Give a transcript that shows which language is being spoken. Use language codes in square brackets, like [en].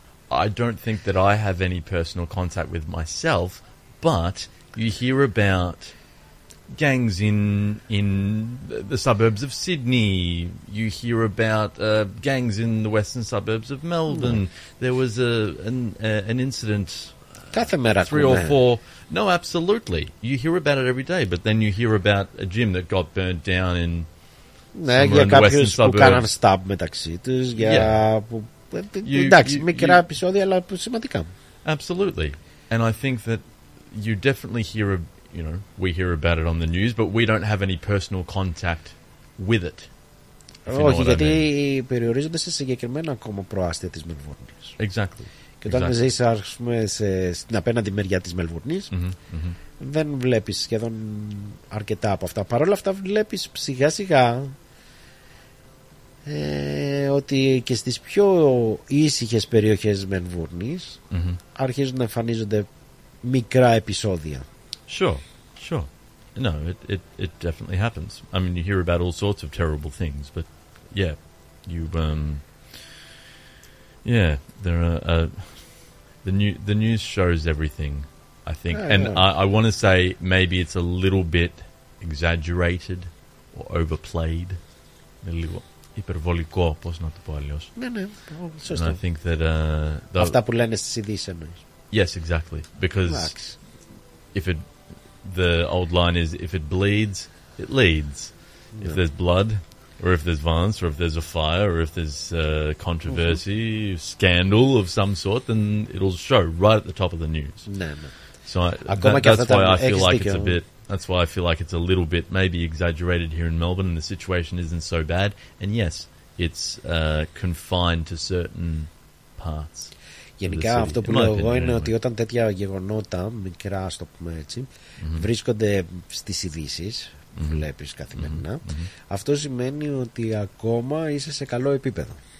[en] I don't think that I have any personal contact with myself, but you hear about gangs in the suburbs of Sydney, you hear about gangs in the western suburbs of Melbourne. There was an incident. [el] Κάθε μέρα. [en] Three or four. No, absolutely. You hear about it every day, but then you hear about a gym that got burnt down in somewhere in the western suburbs. [el] Ναι, για κάποιους που κάναν stab μεταξύ τους, για... Εντάξει, μικρά επεισόδια, αλλά σημαντικά. [en] Absolutely. And I think that you definitely hear, you know, we hear about it on the news, but we don't have any personal contact with it. [el] Όχι, γιατί περιορίζονται σε συγκεκριμένα ακόμα προάστια της Μελβούρνης. [en] Exactly. [el] Και όταν ζεις, ας πούμε, στην απέναντι μεριά της Μελβουρνής, δεν βλέπεις σχεδόν αρκετά από αυτά. Παρ' όλα αυτά βλέπεις σιγά σιγά ότι και στις πιο ήσυχες περιοχές Μελβουρνής αρχίζουν να εμφανίζονται μικρά επεισόδια. [en] Sure, sure. No, it definitely happens. I mean, you hear about all sorts of terrible things, but yeah, you... Yeah, there are the news shows everything, I think. Yeah, and yeah. I want to say maybe it's a little bit exaggerated or overplayed. [el] Λίγο υπερβολικό, πώς να το πω αλλιώς. Ναι, ναι, σωστό. [en] And I think that [el] αυτά που λένε στις ειδήσεις. [en] Yes, exactly. Because Max. If it the old line is if it bleeds, it leads. Yeah. If there's blood, or if there's violence, or if there's a fire, or if there's controversy, scandal of some sort, then it'll show right at the top of the news. [el] Ναι, ναι. [en] So that's why I feel like it's a bit. That's why I feel like it's a little bit maybe exaggerated here in Melbourne, and the situation isn't so bad. And yes, it's confined to certain parts. [el] Γενικά αυτό που λέω εγώ είναι ότι όταν τέτοια γεγονότα, μικρά, ας το πούμε έτσι, βρίσκονται στις ειδήσεις. Βλέπεις καθημερινά. Αυτό σημαίνει ότι ακόμα είσαι σε καλό επίπεδο.